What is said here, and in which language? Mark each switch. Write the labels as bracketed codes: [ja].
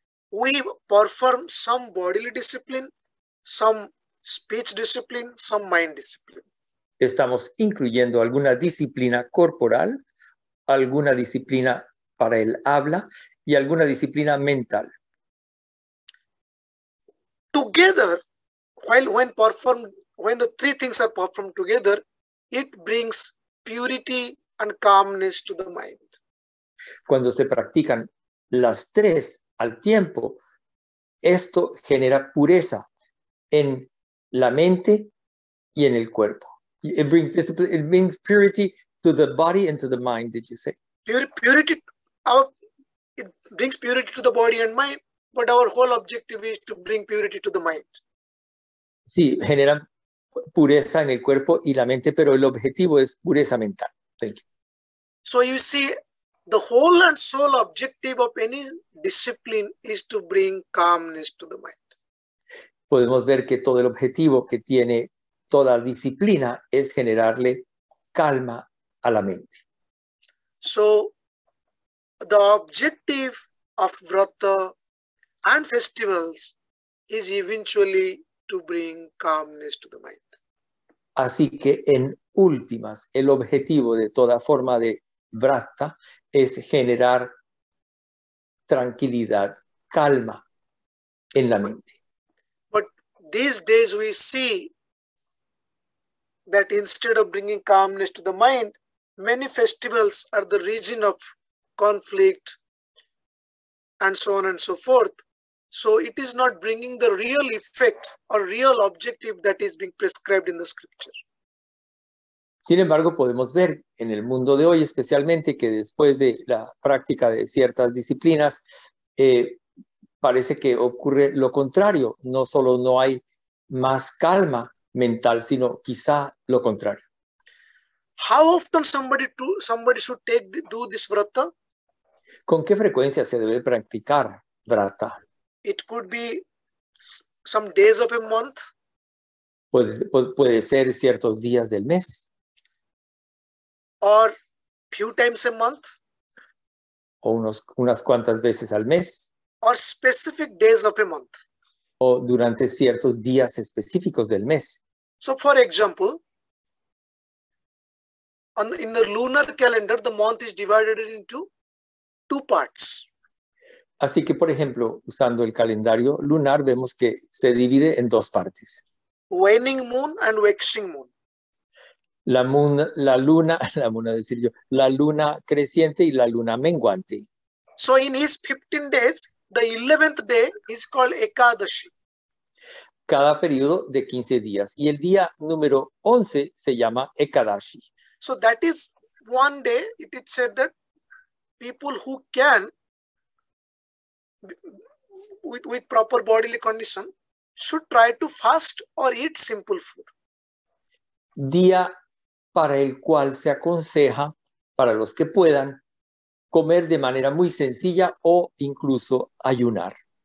[en] we perform some bodily discipline, some speech discipline, some mind discipline. [es] Estamos incluyendo alguna disciplina corporal, alguna disciplina para el habla y alguna disciplina mental. [en] Together, when the three things are performed together, it brings purity and calmness to the mind. [es] Cuando se practican las tres al tiempo, esto genera pureza en la mente y en el cuerpo. [en] It brings purity to the body and to the mind, did you say? It brings purity to the body and mind, but our whole objective is to bring purity to the mind. [es] Sí, genera pureza en el cuerpo y la mente, pero el objetivo es pureza mental. [en] Thank you. So you see, the whole and sole objective of any discipline is to bring calmness to the mind. [es] Podemos ver que todo el objetivo que tiene toda disciplina es generarle calma a la mente. [en] So the objective of vrata and festivals is eventually to bring calmness to the mind. [es] Así que en últimas, el objetivo de toda forma de vrata es generar tranquilidad, calma en la mente. [en] But these days we see that instead of bringing calmness to the mind, many festivals are the reason of conflict and so on and so forth. So it is not bringing the real effect or real objective that is being prescribed in the scripture. [es] Sin embargo, podemos ver en el mundo de hoy, especialmente, que después de la práctica de ciertas disciplinas, parece que ocurre lo contrario. No solo no hay más calma mental, sino quizá lo contrario. [en] How often somebody should do this vrata? [es] ¿Con qué frecuencia se debe practicar vrata? [en] It could be some days of a month. [es] Puede ser ciertos días del mes. [en] Or few times a month. [es] O unas cuantas veces al mes. [en] Or specific days of a month. [es] O durante ciertos días específicos del mes. [en] So for example, in the lunar calendar, the month is divided into two parts. [es] Así que, por ejemplo, usando el calendario lunar, vemos que se divide en dos partes. [en] Waning moon and waxing moon. [es] La luna creciente y la luna menguante. [en] So in his 15 days, the 11th day is called Ekadashi. [es] Cada periodo de 15 días. Y el día número 11 se llama Ekadashi. [en] So that is one day, it is said that people who can, with proper bodily condition, should try to fast or eat simple food. [es] Día para el cual se aconseja para los que puedan, comer de manera muy sencilla o incluso ayunar.